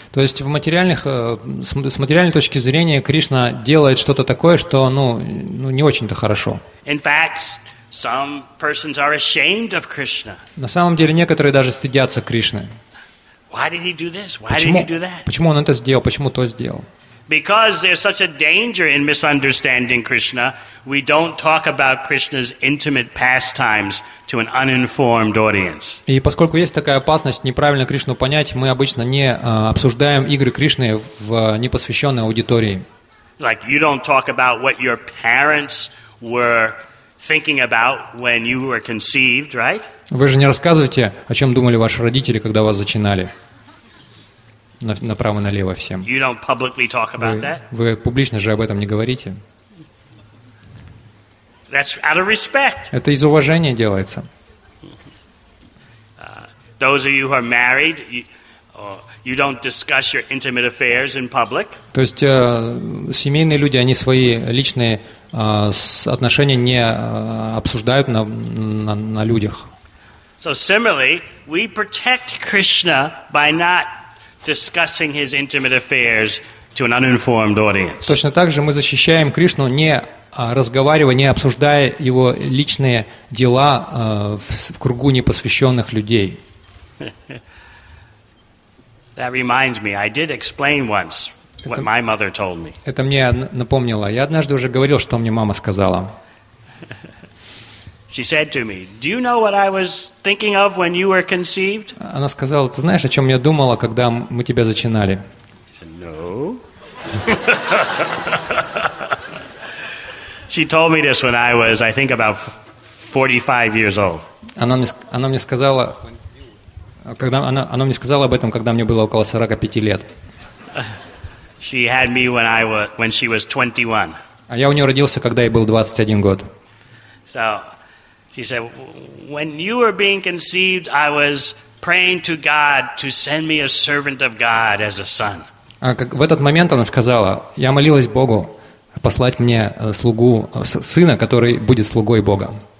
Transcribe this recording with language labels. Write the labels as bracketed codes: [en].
[ru] То есть с материальной точки зрения Кришна делает что-то такое, что не очень-то хорошо. [en] In fact, some persons are ashamed of Krishna. [ru] На самом деле некоторые даже стыдятся Кришны. [en] Why did he do this? Why did he do that? [ru] Почему он это сделал? Почему то сделал? [en] Because there's such a danger in misunderstanding Krishna, we don't talk about Krishna's intimate pastimes to an uninformed audience. [ru] И поскольку есть такая опасность неправильно Кришну понять, мы обычно не обсуждаем игры Кришны в непосвященной аудитории. [en] Like you don't talk about what your parents were thinking about when you were conceived, right? [ru] Вы же не рассказываете, о чем думали ваши родители, когда вас зачинали. Направо налево всем. [en] You don't publicly talk about that. [ru] Вы публично же об этом не говорите. [en] That's out of respect. [ru] Это из уважения делается. [en] Those of you who are married, you don't discuss your intimate affairs in public. [ru] То есть семейные люди, они свои личные отношения не обсуждают на людях. [en] So similarly, we protect Krishna by not discussing his intimate affairs to an uninformed audience. [ru] Точно так же мы защищаем Кришну, не разговаривая, не обсуждая его личные дела в кругу непосвященных людей. [en] That reminds me, I did explain once what my mother told me. [ru] Это мне напомнило. Я однажды уже говорил, что мне мама сказала. [en] She said to me, "Do you know what I was thinking of when you were conceived?" [ru] Она сказала: "Ты знаешь, о чем я думала, когда мы тебя зачинали?" [en] I said, "No." She told me this when I was, I think, about 45 years old. [ru] Она мне сказала об этом, когда мне было около 45 лет. [en] She had me when she was 21. [ru] А я у нее родился, когда ей был 21 год. [en] So, she said, when you were being conceived, I was praying to God to send me a servant of God as a son. [ru] А как, в этот момент она сказала, я молилась Богу послать мне слугу, сына, который будет слугой Бога.